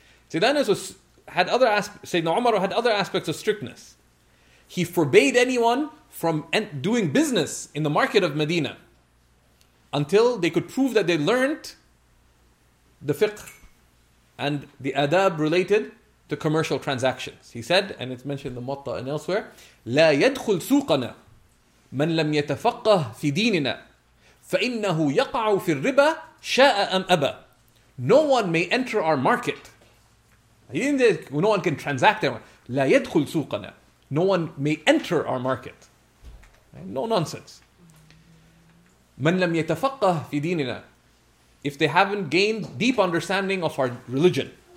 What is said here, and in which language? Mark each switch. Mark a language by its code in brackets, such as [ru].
[en] Sayyidina Anas had other aspects of strictness. He forbade anyone from doing business in the market of Medina until they could prove that they learned the fiqh and the adab related to commercial transactions. He said, and it's mentioned in the Muwatta and elsewhere, [ar] لا يدخل سوقنا من لم يتفقه في ديننا فإنه يقع في الربا شاء أم أبا. [en] No one may enter our market. He didn't say, no one can transact there. [ar] لا يدخل سوقنا. [en] No one may enter our market. No nonsense. [ar] من لم يتفقه في ديننا. [en] If they haven't gained deep understanding of our religion.